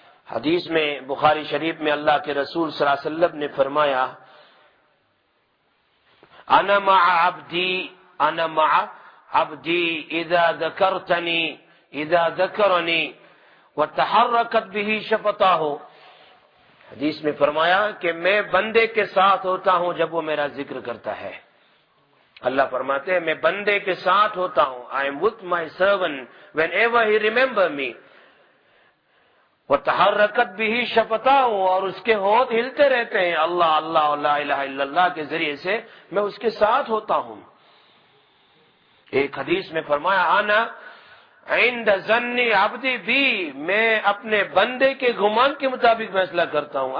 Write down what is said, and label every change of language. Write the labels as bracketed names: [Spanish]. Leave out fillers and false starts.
[Urdu] حدیث میں بخاری شریف میں اللہ کے رسول صلی اللہ علیہ وسلم نے فرمایا, [Arabic] انا مع عبدی, انا مع عبدی اذا ذکرتنی اذا ذکرنی وتحرکت به شفتاه. [Urdu] حدیث میں فرمایا کہ میں بندے کے ساتھ ہوتا ہوں جب وہ میرا ذکر کرتا ہے. اللہ فرماتے ہیں میں بندے کے ساتھ ہوتا ہوں. [English] I am with my servant whenever he remember me. [Arabic] وتحرکت به شفتاه, [Urdu] اور اس کے ہونٹ ہلتے رہتے ہیں اللہ اللہ لا الہ الا اللہ کے ذریعے سے میں اس کے ساتھ ہوتا ہوں. ایک حدیث میں فرمایا, [Arabic] انا عند ظن عبدی بی, [Urdu] میں اپنے بندے کے گمان کے مطابق فیصلہ کرتا ہوں.